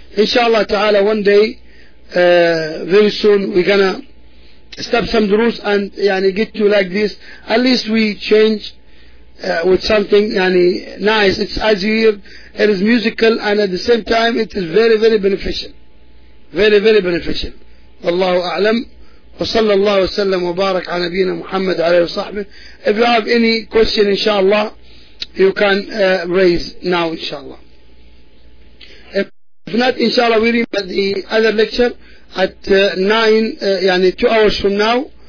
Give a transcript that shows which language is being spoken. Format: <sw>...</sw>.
<en>Inshallah ta'ala, one day very soon we're gonna stop some durus and yani get to like this. At least we change with something yani nice. It's as you hear, it is musical, and at the same time it is very, very beneficial. Very, very beneficial. Wallahu a'lam.</en> <ar>وصلى الله وسلم وبارك على نبينا محمد عليه وصحبه.</ar> <en>If you have any question, inshallah, you can raise now, inshallah. If not, inshallah, we'll be at the other lecture at 9, يعني 2 hours from now.</en>